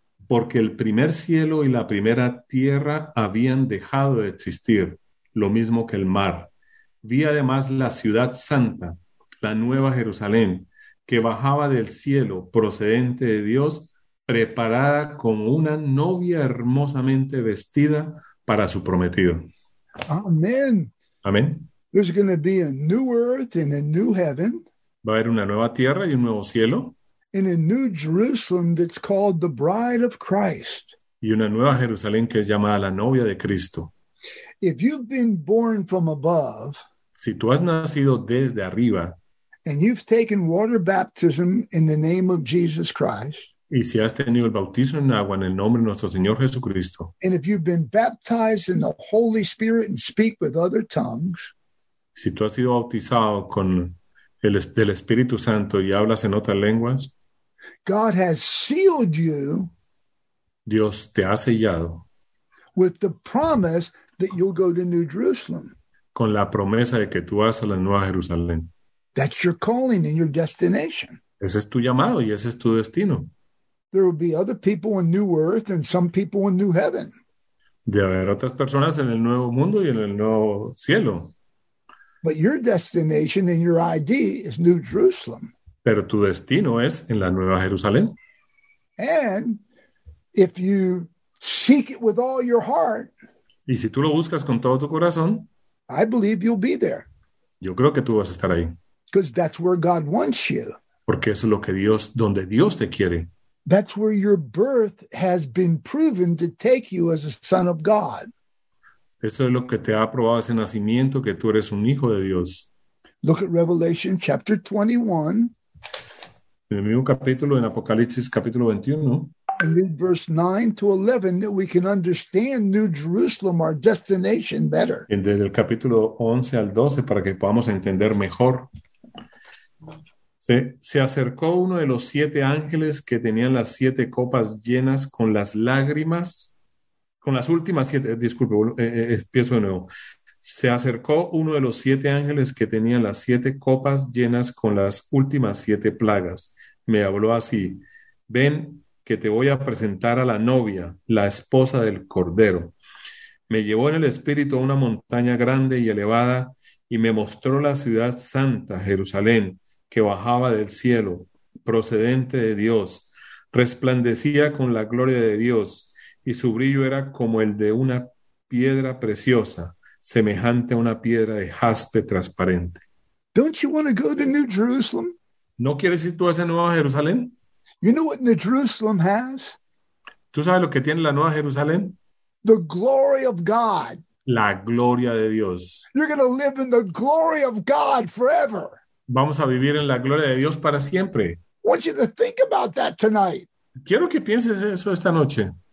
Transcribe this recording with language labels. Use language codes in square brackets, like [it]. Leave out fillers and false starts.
[es] Porque el primer cielo y la primera tierra habían dejado de existir, lo mismo que el mar. Vi además la ciudad santa, la nueva Jerusalén, que bajaba del cielo, procedente de Dios, preparada como una novia hermosamente vestida para su prometido. Amén. Amén. [en] There's going to be a new earth and a new heaven. [es] Va a haber una nueva tierra y un nuevo cielo. [en] In a new Jerusalem that's called the Bride of Christ. [es] Y una nueva Jerusalén que es llamada la novia de Cristo. [en] If you've been born from above, [es] si tú has nacido desde arriba, [en] and you've taken water baptism in the name of Jesus Christ, [es] y si has tenido el bautismo en agua en el nombre de nuestro Señor Jesucristo, [en] and if you've been baptized in the Holy Spirit and speak with other tongues, [es] si tú has sido bautizado con del Espíritu Santo y hablas en otras lenguas, [en] God has sealed you, [es] Dios te ha sellado, [en] with the promise that you'll go to New Jerusalem. [es] Con la promesa de que tú vas a la Nueva Jerusalén. [en] That's your calling and your destination. [es] Ese es tu llamado y ese es tu destino. [en] There will be other people in New Earth and some people in New Heaven. [es] De haber otras personas en el Nuevo Mundo y en el Nuevo Cielo. [en] But your destination and your ID is New Jerusalem. [es] Pero tu destino es en la Nueva Jerusalén. [en] And if you seek it with all your heart, [es] y si tú lo buscas con todo tu corazón, [en] I believe you'll be there. [es] Yo creo que tú vas a estar ahí. [en] Because that's where God wants you. [es] Porque eso es lo que Dios, donde Dios te quiere. [en] That's where your birth has been proven to take you as a son of God. [es] Eso es lo que te ha probado ese nacimiento, que tú eres un hijo de Dios. [en] Look at Revelation chapter 21. [es] En el mismo capítulo, en Apocalipsis capítulo 21. [en] And read verse 9 to 11 that we can understand New Jerusalem, our destination, better. [es] En el capítulo 11 al 12 para que podamos entender mejor. Se acercó uno de los siete ángeles que tenían las siete copas llenas con las lágrimas, con las últimas siete, disculpe, empiezo de nuevo. Se acercó uno de los siete ángeles que tenían las siete copas llenas con las últimas siete plagas. Me habló así: ven, que te voy a presentar a la novia, la esposa del Cordero. Me llevó en el espíritu a una montaña grande y elevada y me mostró la ciudad santa, Jerusalén, que bajaba del cielo, procedente de Dios. Resplandecía con la gloria de Dios y su brillo era como el de una piedra preciosa, semejante a una piedra de jaspe transparente. [en] Don't you want to go to New Jerusalem? [es] ¿No quieres ir tú a esa nueva Jerusalén? [en] You know what New Jerusalem has? [es] ¿Tú sabes lo que tiene la Nueva Jerusalén? [en] The glory of God. [es] La gloria de Dios. [en] You're going to live in the glory of God forever. [es] Vamos a vivir en la gloria de Dios para siempre. [en] I want you to think about that tonight. [es] Quiero que pienses eso esta noche.